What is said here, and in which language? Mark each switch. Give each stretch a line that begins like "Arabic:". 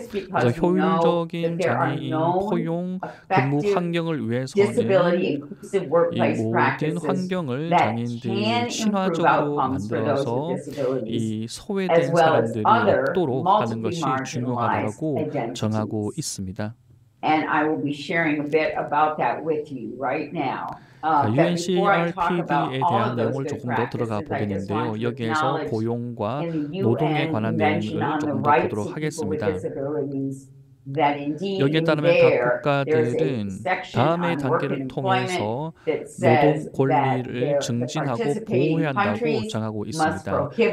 Korean: 그래서 효율적인 장애인 포용 근무 환경을 위해서는 이 모든 환경을 장애인들이 친화적으로 만들어서 이 소외된 사람들이 없도록 하는 것이 중요하다고 정하고 있습니다.
English: And I will be sharing a bit about that with you right now.
Korean: UNCRPD에 대한 내용을 조금 더 들어가 보겠는데요. 여기에서 고용과 노동에 관한 내용을 조금 더 보도록 하겠습니다. 여기에 따르면 각 국가들은 다음의 단계를 통해서 노동 권리를 증진하고 보호해야 한다고 주장하고 있습니다.